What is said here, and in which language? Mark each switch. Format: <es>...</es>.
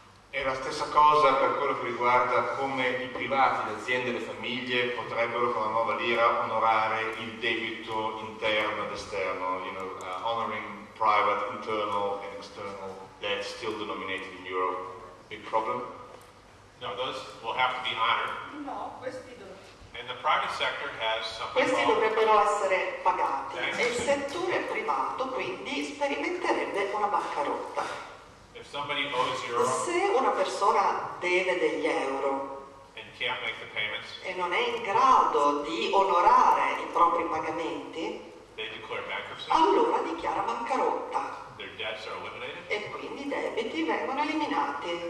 <it>È la stessa cosa per quello che riguarda come i privati, le aziende, le famiglie potrebbero con la nuova lira onorare il debito interno ed esterno,</it> <en>you know, honoring private internal and external debt still denominated in euro. Big problem? No, those will have to be honored.</en> <it>No, questi dovrebbero.</it> <en>And the private sector has something.</en> <it>Questi dovrebbero essere pagati. E il settore privato quindi sperimenterebbe una bancarotta.</it> <en>If somebody owes euro,</en> <it>se una persona deve degli euro</it> <en>and can't make the payments,</en> <it>e non è in grado di onorare i propri pagamenti,</it> <en>they declare bankruptcy.</en> <it>Allora dichiara bancarotta.</it> <en>Their debts are eliminated.</en> <it>E quindi i debiti vengono eliminati.</it>